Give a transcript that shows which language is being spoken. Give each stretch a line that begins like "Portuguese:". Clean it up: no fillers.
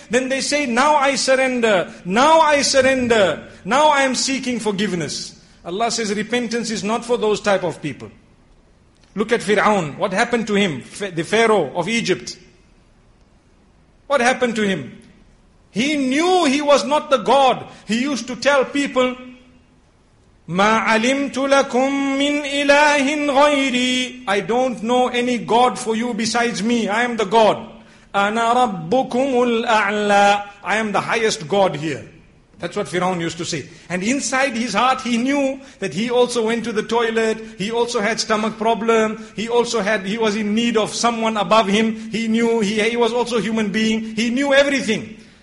English: Then they say, now I surrender, now I surrender, now I am seeking forgiveness. Allah says repentance is not for those type of people. Look at Fir'aun, what happened to him, the Pharaoh of Egypt? What happened to him? He knew he was not the God. He used to tell people,
Arabic: مَا عَلِمْتُ لَكُمْ مِنْ إِلَٰهٍ غَيْرِي.
English: I don't know any God for you besides me. I am the God.
Arabic: أَنَا رَبُّكُمُ الْأَعْلَىٰ.
English: I am the highest God here. That's what Fir'aun used to say. And inside his heart he knew that he also went to the toilet, he also had stomach problem, he was in need of someone above him, he knew he was also a human being, he knew everything.